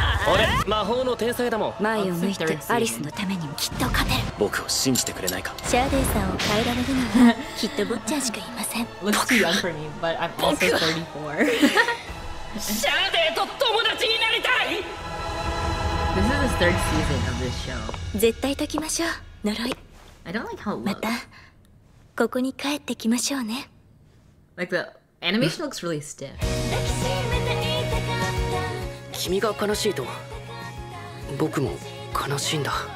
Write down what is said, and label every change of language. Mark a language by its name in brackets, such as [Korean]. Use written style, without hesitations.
[Japanese] 俺魔法の天才だもん。前を向いてアリスのためにもきっと勝てる。僕を信じてくれないか。シャーデーさんを変えられるのはきっとボッチャーしかいません。僕はシャーデーと友達になりたい。 [English] This is the third season of this show. [Japanese] 絶対解きましょう呪い。 [English] I don't like how it looks. [Japanese] またここに帰ってきましょうね。 [English] Like theAnimation looks really stiff. [Japanese] 君が悲しいと僕も悲しいんだ。